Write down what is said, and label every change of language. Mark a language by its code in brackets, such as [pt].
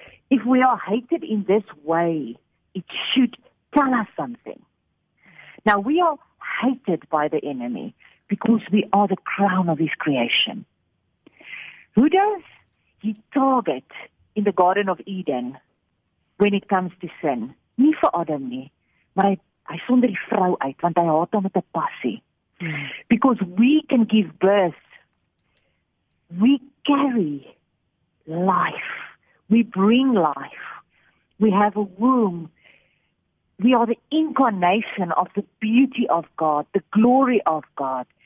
[en] If we are hated in this way, it should tell us something. Now, we are hated by the enemy because we are the crown of his creation. Who does he target in the Garden of Eden, when it comes to sin? [af] Nie vir Adam nie, maar hy sonder die vrou uit, want hy haat hom met 'n passie. [en] Because we can give birth, we carry life, we bring life, we have a womb, we are the incarnation of the beauty of God, the glory of God.